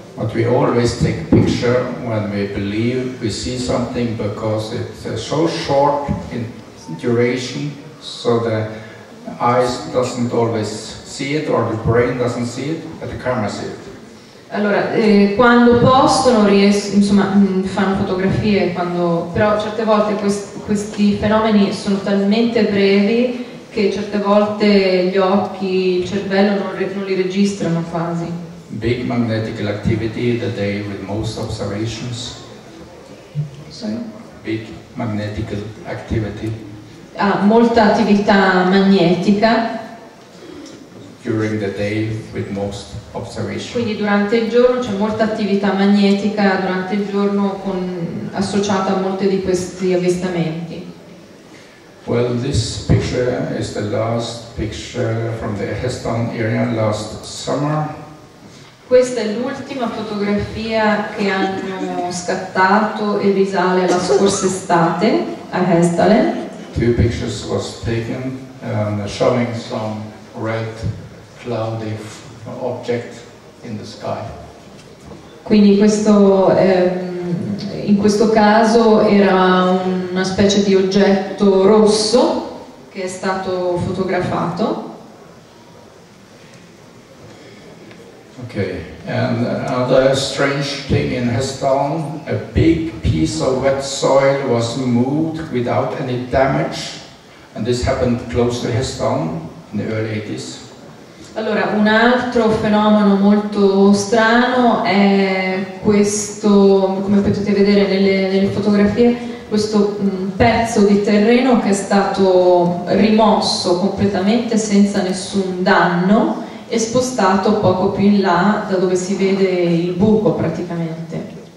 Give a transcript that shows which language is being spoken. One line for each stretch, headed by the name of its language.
English: But we always take picture when we believe we see something because it's so short in duration, so the eyes doesn't always see it or the brain doesn't see it, but the camera sees it.
Italian: Allora, quando possono fanno fotografie, però certe volte questi fenomeni sono talmente brevi che certe volte gli occhi, il cervello non li registrano quasi.
English: Big magnetic activity the day with most observations. Sorry? Big magnetic activity.
Italian: Ah, molta attività magnetica.
English: During the day with most observation.
Italian: Quindi durante il giorno c'è molta attività magnetica durante il giorno associata a molti di questi avvistamenti.
English: Well, this picture is the last picture from the Heston area last summer.
Italian: Questa è l'ultima fotografia che hanno scattato e risale la scorsa estate a Hestaden.
English: Two pictures was taken showing some red cloudy object in the sky.
Italian: Quindi questo in questo caso era una specie di oggetto rosso che è stato fotografato.
English: Okay, and another strange thing in Hestaden, a big piece of wet soil was moved without any damage, and this happened close to Hestaden in the early 80s.
Italian: Allora, un altro fenomeno molto strano è questo, come potete vedere nelle fotografie, questo pezzo di terreno che è stato rimosso completamente senza nessun danno e spostato poco più in là da dove si vede il buco praticamente.